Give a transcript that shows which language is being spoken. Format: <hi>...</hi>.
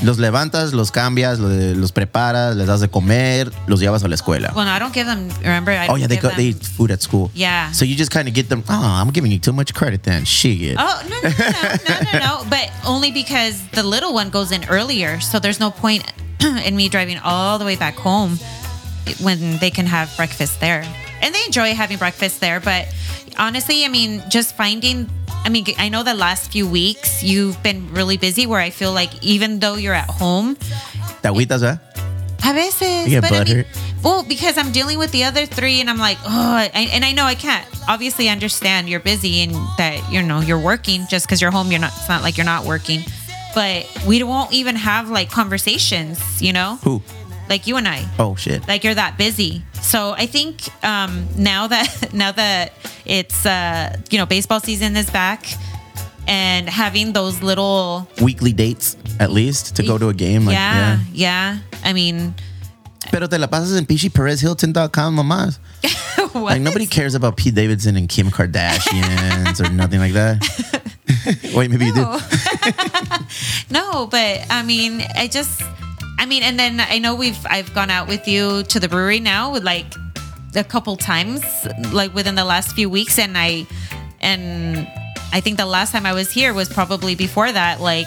<es>Los levantas, los cambias, los preparas, les das de comer, los llevas a la escuela.</es> <en>Well, no, I don't give them, remember? Oh, yeah, they eat food at school. Yeah. So you just kind of get them, I'm giving you too much credit then. Shit. Oh, no. But only because the little one goes in earlier, so there's no point in me driving all the way back home. when they can have breakfast there. And they enjoy having breakfast there. But honestly, I mean, just finding... I mean, I know the last few weeks you've been really busy where I feel like even though you're at home...</en> <es>Agüitas, eh? A veces.</es> <en>You get butter. Well, because I'm dealing with the other three and I'm like, oh, and I know I can't obviously understand you're busy and that, you know, you're working just because you're home. You're not, it's not like you're not working, but we won't even have like conversations, you know? Who? Like you and I. Oh, shit. Like you're that busy. So I think now that it's, you know, baseball season is back and having those little weekly dates at least to go to a game. Like, yeah. Yeah. I mean,</en> <es>pero te la pasas en PichiPerezHilton.com nomás.</es> <en>What? Like nobody cares about Pete Davidson and Kim Kardashians or nothing like that. Wait, maybe you do. No, but I mean, and then I know I've gone out with you to the brewery now with like a couple times, like within the last few weeks, and I think the last time I was here was probably before that, like,</en>